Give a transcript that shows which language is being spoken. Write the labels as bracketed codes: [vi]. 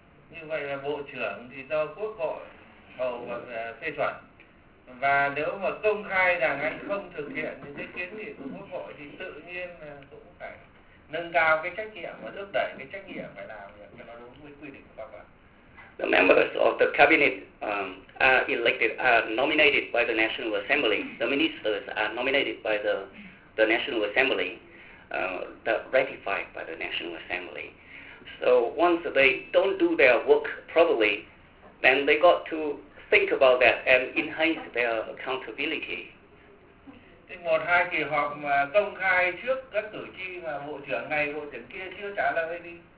[vi] Như vậy là bộ trưởng thì do quốc hội bầu và phê chuẩn, và nếu mà công khai rằng anh không thực hiện những cái kiến nghị của quốc hội thì tự nhiên là cũng phải nâng cao cái trách nhiệm và thúc đẩy cái trách nhiệm phải làm việc cho nó đúng với quy định của pháp luật. [en] The members of the cabinet are elected, are nominated by the National Assembly. The ministers are nominated by the National Assembly, ratified by the National Assembly. So once they don't do their work properly, then they got to think about that and enhance their accountability. [vi] Một hai kỳ họp mà công khai trước các cử tri mà bộ trưởng này, bộ trưởng kia chưa trả lời đi.